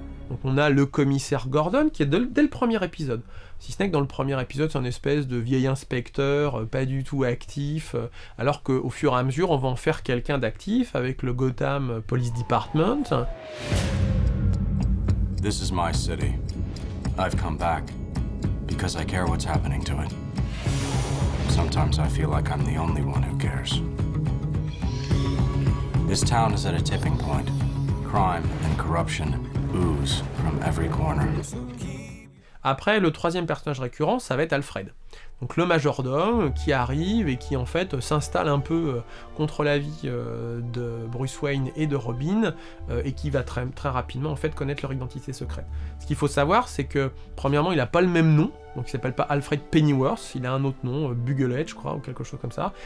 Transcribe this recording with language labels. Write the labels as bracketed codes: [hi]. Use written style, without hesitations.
[fr] Donc on a le commissaire Gordon qui est dès le premier épisode. Si ce n'est que dans le premier épisode, c'est un espèce de vieil inspecteur, pas du tout actif, alors qu'au fur et à mesure, on va en faire quelqu'un d'actif avec le Gotham Police Department. [en] This is my city. I've come back because I care what's happening to it. Sometimes I feel like I'm the only one who cares. This town is at a tipping point. Crime and corruption ooze from every corner. [fr] Après, le troisième personnage récurrent, ça va être Alfred. Donc le majordome qui arrive et qui en fait s'installe un peu contre l'avis de Bruce Wayne et de Robin et qui va très, très rapidement en fait connaître leur identité secrète. Ce qu'il faut savoir, c'est que premièrement, il n'a pas le même nom, donc il s'appelle pas Alfred Pennyworth, il a un autre nom, Bugelet, je crois, ou quelque chose comme ça.